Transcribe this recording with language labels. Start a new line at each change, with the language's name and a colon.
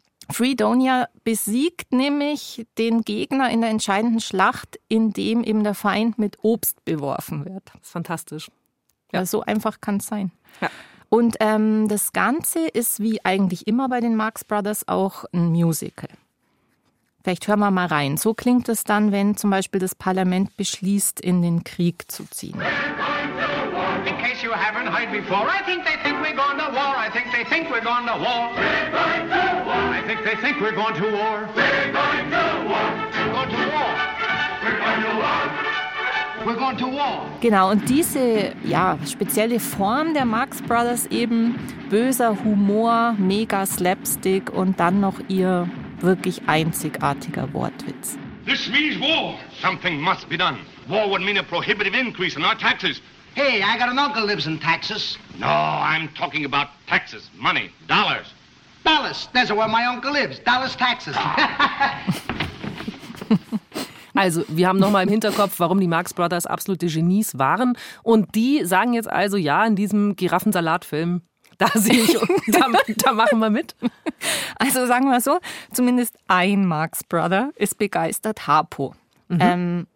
German: Freedonia besiegt nämlich den Gegner in der entscheidenden Schlacht, in dem eben der Feind mit Obst beworfen wird. Das ist fantastisch. Ja, so einfach kann es sein. Ja. Und das Ganze ist, wie eigentlich immer bei den Marx Brothers, auch ein Musical. Vielleicht hören wir mal rein. So klingt es dann, wenn zum Beispiel das Parlament beschließt, in den Krieg zu ziehen.
English: In case you haven't heard before, I think they think we're going to war. I think they think we're going to war. We're going to war. I think they think we're going to war. We're going to war. We're going to war. We're going to war. We're going to war. We're going to war.
German: Genau, und diese spezielle Form der Marx Brothers, eben böser Humor, mega Slapstick und dann noch ihr wirklich einzigartiger Wortwitz.
English: This means war. Something must be done. War would mean a prohibitive increase in our taxes. Hey, I got an uncle lives in Texas. No, I'm talking about taxes, money, dollars. Dallas, that's where my uncle lives. Dallas, Texas.
German: Also, wir haben nochmal im Hinterkopf, warum die Marx Brothers absolute Genies waren. Und die sagen jetzt also, ja, in diesem Giraffensalatfilm, da sehe ich, da machen wir mit. Also sagen wir so, zumindest ein Marx Brother ist begeistert, Harpo. Mhm.